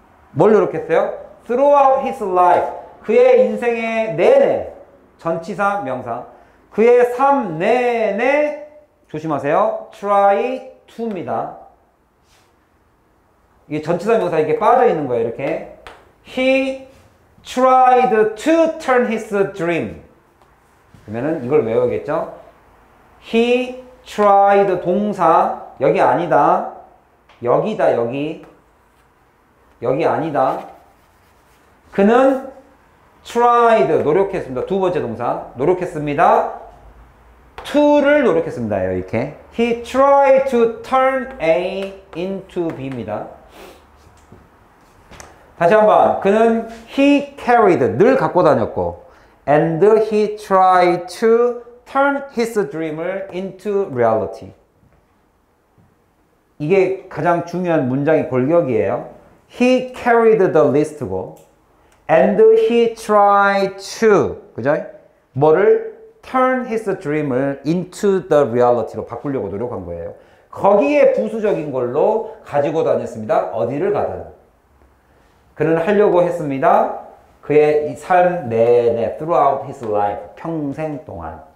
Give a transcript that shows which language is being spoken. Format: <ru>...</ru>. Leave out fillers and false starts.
<ko>뭘 노력했어요?</ko> <en>Throughout his life.</en> <ko>그의 인생의 내내 전치사 명사 그의 삶 내내 조심하세요.</ko> <en>try to입니다.</en> <ko>이게 전치사 명사 이게 빠져 있는 거예요. 이렇게</ko> <en>he tried to turn his dream.</en> <ko>그러면은 이걸 외워야겠죠.</ko> <en>he tried</en> <ko>동사 여기 아니다. 여기다 여기 아니다. 그는 tried 노력했습니다. 두 번째 동사 노력했습니다. to를 노력했습니다. 이렇게</ko> <en>he tried to turn A into B입니다.</en> <ko>다시 한번 그는</ko> <en>he carried</en> <ko>늘 갖고 다녔고</ko> <en>and he tried to turn his dream을 into reality.</en> <ko>이게 가장 중요한 문장의 골격이에요.</ko> <en>he carried the list고 and he tried to</en> <ko>그죠? 뭐를</ko> <en>turn his dream을 into the reality로</en> <ko>바꾸려고 노력한 거예요. 거기에 부수적인 걸로 가지고 다녔습니다. 어디를 가든. 그는 하려고 했습니다. 그의 삶 내내,</ko> <en>throughout his life,</en> <ko>평생 동안.</ko>